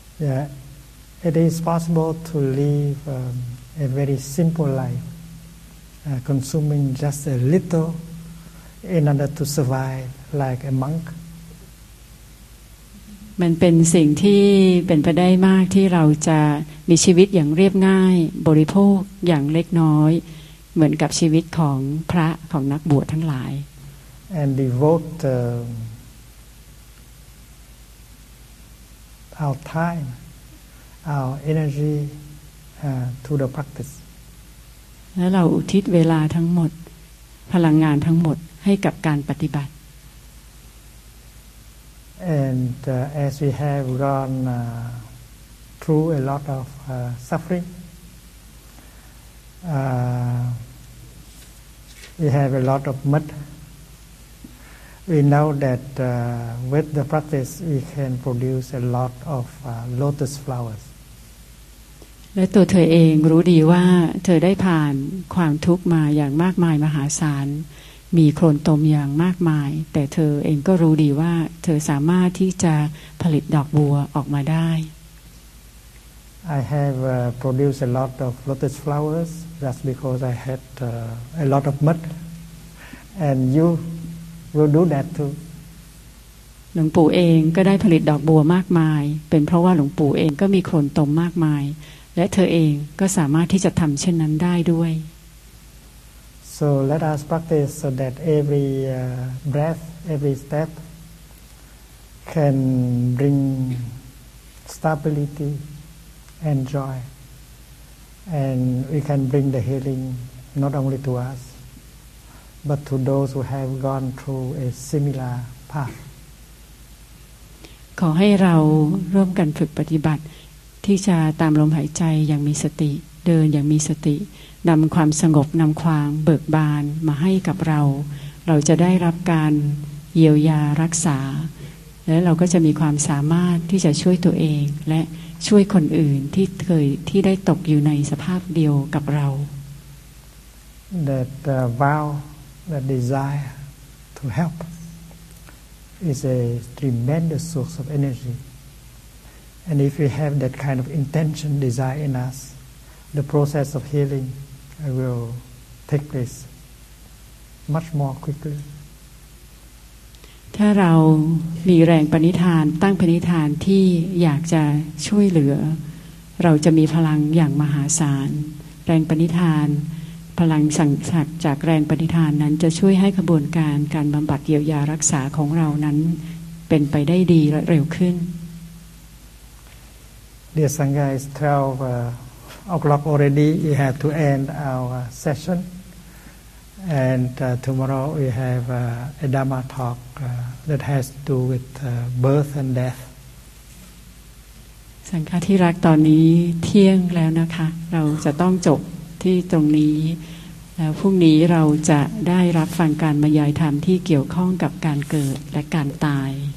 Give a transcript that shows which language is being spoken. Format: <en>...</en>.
<en>Yeah, it is possible to live a very simple life consuming just a little in order to survive like a monk</en> <th>มันเป็นสิ่งที่เป็นไปได้มากที่เราจะมีชีวิตอย่างเรียบง่ายบริโภคอย่างเล็กน้อยเหมือนกับชีวิตของพระของนักบวชทั้งหลาย</th> <en>and devote our time our energy to the practice</en> <th>และเราอุทิศเวลาทั้งหมดพลังงานทั้งหมดให้กับการปฏิบัติ</th> <en>and as we have gone through a lot of suffering we have a lot of mud we know that with the practice we can produce a lot of lotus flowers.</en> <th>และตัวเธอเองรู้ดีว่าเธอได้ผ่านความทุกข์มาอย่างมากมายมหาศาลมีโคลนตมอย่างมากมายแต่เธอเองก็รู้ดีว่าเธอสามารถที่จะผลิตดอกบัวออกมาได้</th> <en>I have produced a lot of lotus flowers that's because I had a lot of mud and you will do that too</en> <th>หลวงปู่เองก็ได้ผลิตดอกบัวมากมายเป็นเพราะว่าหลวงปู่เองก็มีโคลนตมมากมายและเธอเองก็สามารถที่จะทำเช่นนั้นได้ด้วย</th> <en>So let us practice so that every breath, every step can bring stability and joy and we can bring the healing not only to us but to those who have gone through a similar path</en> <th>ขอให้เราร่วมกันฝึกปฏิบัติที่จะตามลมหายใจอย่างมีสติเดินอย่างมีสตินำความสงบนำความเบิกบานมาให้กับเราเราจะได้รับการเยียวยารักษาและเราก็จะมีความสามารถที่จะช่วยตัวเองและช่วยคนอื่นที่เคยที่ได้ตกอยู่ในสภาพเดียวกับเรา</th> <en>That vow that desire to help is a tremendous source of energyAnd if we have that kind of intention, desire in us, the process of healing will take place much more quickly.</en> <th>ถ้าเรามีแรงปณิธานตั้งปณิธานที่อยากจะช่วยเหลือเราจะมีพลังอย่างมหาศาลแรงปณิธานพลังสังสักจากแรงปณิธานนั้นจะช่วยให้กระบวนการการบำบัดเยียวยารักษาของเรานั้นเป็นไปได้ดีและเร็วขึ้น</th> <en>Dear Sangha, it's 12 o'clock already. We have to end our session. And tomorrow we have a Dhamma talk that has to do with birth and death.</en> <th>Sangha, ที่รักตอนนี้เที่ยงแล้วนะคะเราจะต้องจบที่ตรงนี้แล้วพรุ่งนี้เราจะได้รับฟังการบรรยายธรรมที่เกี่ยวข้องกับการเกิดและการตาย</th>